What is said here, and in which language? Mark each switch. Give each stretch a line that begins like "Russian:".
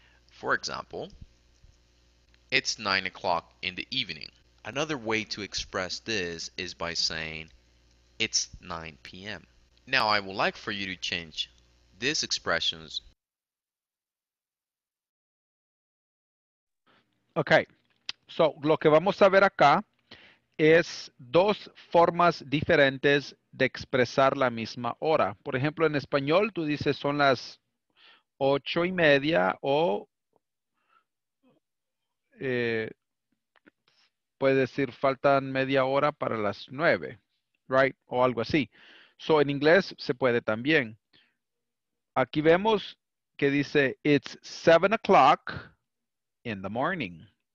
English: For example, it's 9 o'clock in the evening. Another way to express this is by saying it's 9 p.m. Now I would like for you to change these expressions.
Spanish: Okay, so lo que vamos a ver acá es dos formas diferentes de expresar la misma hora. Por ejemplo, en español tú dices son las 8:30 o puedes decir faltan media hora para las 9, right? O algo así. So en inglés se puede también. Aquí vemos que dice
English: it's 7 o'clock in the morning.